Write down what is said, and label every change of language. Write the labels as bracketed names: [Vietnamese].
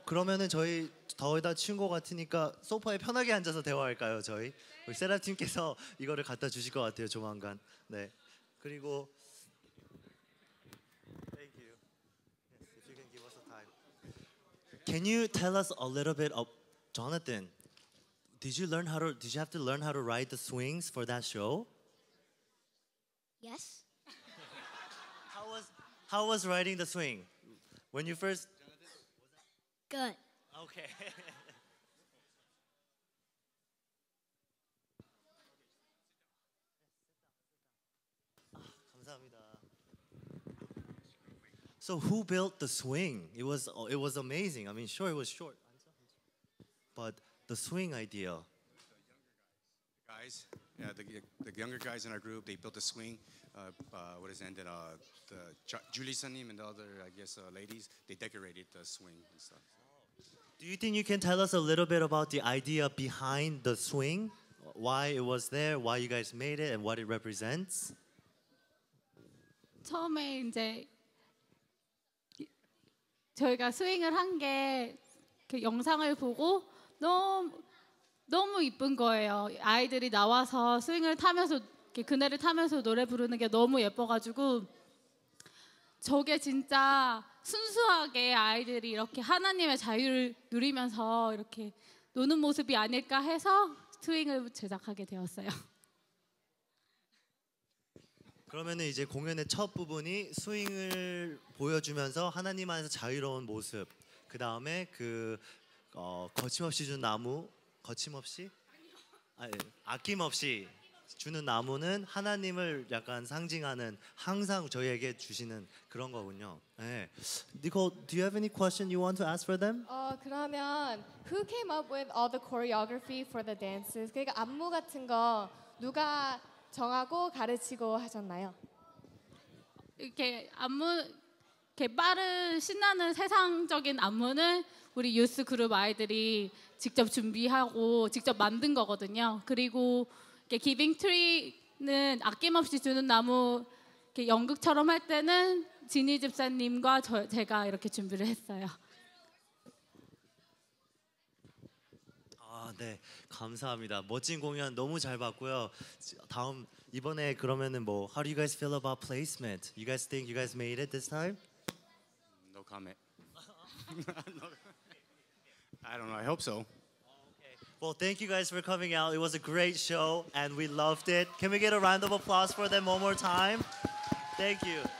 [Korean] 그러면은 저희 더위다 추운 것 같으니까 소파에 편하게 앉아서 대화할까요, 저희? 우리 셋업 팀께서 이거를 갖다 주실 것 같아요, 조만간. 네. 그리고 [English] Thank you. Yes, if you can give us a time. Can you tell us a little bit of Jonathan? Did you have to learn how to ride the swings for that show? Yes. How was riding the swing? When you first Good. Okay. So who built the swing? It was amazing. I mean, sure, it was short. But the swing idea. The younger guys in our group, they built the swing. Julie Sunim and the other, ladies, they decorated the swing and stuff. So. Do you think you can tell us a little bit about the idea behind the swing? Why it was there, why you guys made it, and what it represents? [Korean] 처음에 이제 저희가 스윙을 한 게 그 영상을 보고 너무 이쁜 거예요. 아이들이 나와서 스윙을 타면서 이렇게 그네를 타면서 노래 부르는 게 너무 예뻐가지고 저게 진짜 순수하게 아이들이 이렇게 하나님의 자유를 누리면서 이렇게 노는 모습이 아닐까 해서 스윙을 제작하게 되었어요. 그러면은 이제 공연의 첫 부분이 스윙을 보여주면서 하나님 안에서 자유로운 모습. 그 다음에 그 거침없이 준 나무, 거침없이? 아니, 아낌없이 주는 나무는 하나님을 약간 상징하는 항상 저희에게 주시는 그런 거군요. 네. [English] Nicole, do you have any question you want to ask for them? [Korean] 그러면 [English] who came up with all the choreography for the dances? [Korean] 그러니까 안무 같은 거 누가 정하고 가르치고 하셨나요? 이렇게 안무, 이렇게 빠른 신나는 세상적인 안무는 우리 유스 그룹 아이들이 직접 준비하고 직접 만든 거거든요. 그리고 이렇게 기빙 트리는 아낌없이 주는 나무 이렇게 연극처럼 할 때는 지니 집사님과 제가 이렇게 준비를 했어요. 네, 감사합니다. 멋진 공연 너무 잘 봤고요. 다음 이번에 그러면은 뭐 [English] How do you guys feel about placement? You guys think you guys made it this time? No comment. I don't know. I hope so. Well, thank you guys for coming out. It was a great show and we loved it. Can we get a round of applause for them one more time? Thank you.